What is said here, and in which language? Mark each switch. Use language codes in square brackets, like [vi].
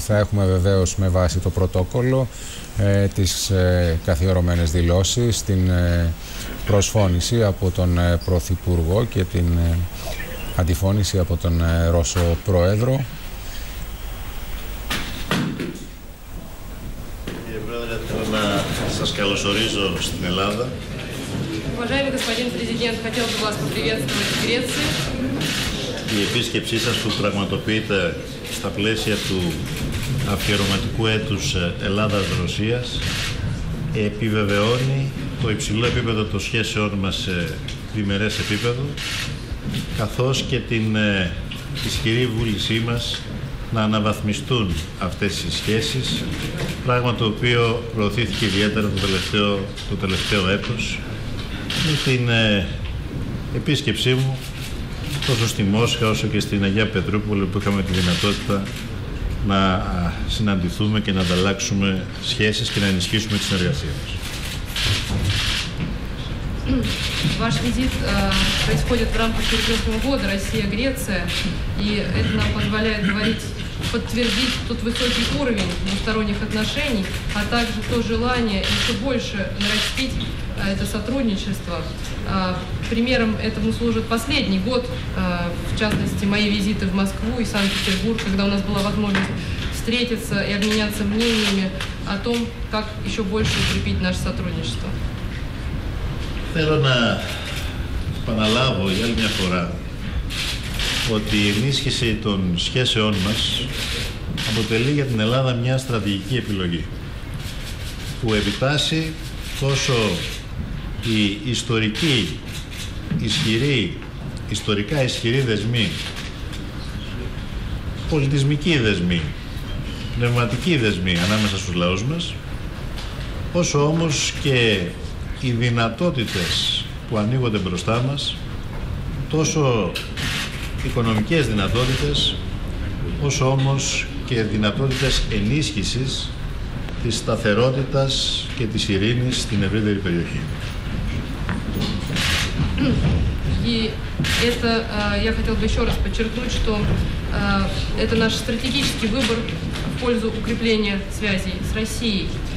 [el] Θα έχουμε βεβαίως με βάση το πρωτόκολλο τις καθιερωμένες δηλώσεις, την προσφώνηση από τον Πρωθυπουργό και την αντιφώνηση από τον Ρώσο Πρόεδρο. Κύριε Πρόεδρε, θέλω να σας καλωσορίζω στην Ελλάδα. [ru] Уважаемый господин президент, хотел бы вас поприветствовать в Греции. [el] Η επίσκεψή σας που πραγματοποιείται στα πλαίσια του αφιερωματικού έτους Ελλάδας-Ρωσίας επιβεβαιώνει το υψηλό επίπεδο των σχέσεών μας σε διμερές επίπεδο, καθώς και την ισχυρή βούλησή μας να αναβαθμιστούν αυτές οι σχέσεις, πράγμα το οποίο προωθήθηκε ιδιαίτερα το τελευταίο έτος με την επίσκεψή μου τόσο στη Μόσχα όσο και στην Αγία Πετρούπολη, που είχαμε τη δυνατότητα να συναντηθούμε και να ανταλλάξουμε σχέσεις και να ενισχύσουμε τη συνεργασία μας. [ru] Ваш визит происходит в рамках Перекрестного года Россия-Греция, и это нам позволяет подтвердить тот высокий уровень двусторонних отношений, а также то желание еще больше нарастить это сотрудничество. Примером этому служит последний год, в частности, мои визиты в Москву и Санкт-Петербург, когда у нас была возможность встретиться и обменяться мнениями о том, как еще больше укрепить наше сотрудничество. [el] Θέλω να επαναλάβω για άλλη μια φορά ότι η ενίσχυση των σχέσεών μας αποτελεί για την Ελλάδα μια στρατηγική επιλογή που επιτάσσει τόσο η ιστορική, ισχυρή, ιστορικά ισχυρή δεσμή, πολιτισμική δεσμή, πνευματική δεσμή ανάμεσα στους λαούς μας, όσο όμως και οι δυνατότητες που ανοίγονται μπροστά μας, τόσο οικονομικές δυνατότητες, όσο όμως και δυνατότητες ενίσχυσης της σταθερότητας και της ειρήνης στην ευρύτερη περιοχή. [ru] И это я хотел бы еще раз подчеркнуть, что это наш стратегический выбор в пользу укрепления связей с Россией.